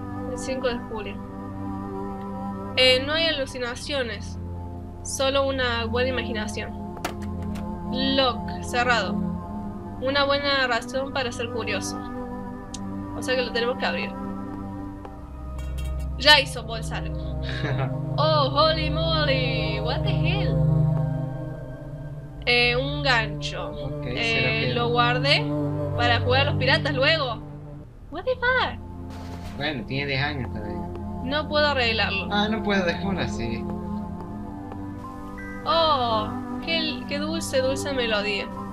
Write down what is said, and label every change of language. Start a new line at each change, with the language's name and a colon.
Spanish: El 5 de julio. No hay alucinaciones, solo una buena imaginación. Lock, cerrado. Una buena razón para ser curioso. O sea que lo tenemos que abrir. Ya hizo bolsa.
English: Oh, holy moly, what the hell?
Spanish: Un gancho.
English: Okay,
Spanish: lo guardé para jugar a los piratas luego.
English: What the fuck?
Spanish: Bueno, tiene 10 años todavía. No puedo arreglarlo. Ah, no puedo dejarlo así. Oh, qué dulce, dulce melodía.